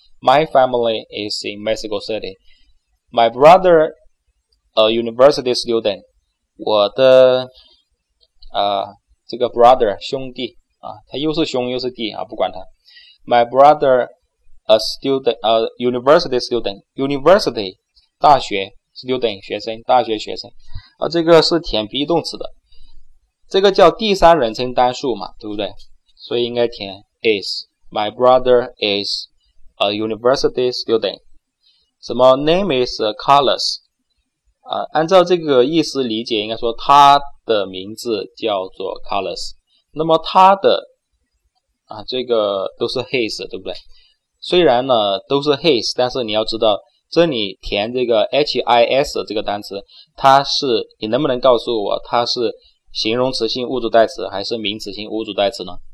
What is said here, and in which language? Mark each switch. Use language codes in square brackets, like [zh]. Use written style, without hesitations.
[en] My family is in Mexico City。 My brother a university student。 [zh] 我的这个 brother 兄弟啊，他又是兄又是弟啊，不管他。 [en] My brother a student a university student。 [zh] University 大学，student 学生，大学学生啊，这个是填 be 动词的，这个叫第三人称单数嘛，对不对？所以应该填 is。 [en] My brother is a university student。 [zh] 什么 [en] name is Carlos [zh] 啊，按照这个意思理解应该说他的名字叫做 Carlos。那么他的啊，这个都是 his， 对不对？虽然呢都是 his， 但是你要知道这里填这个 his 这个单词，它是，你能不能告诉我它是形容词性物主代词还是名词性物主代词呢？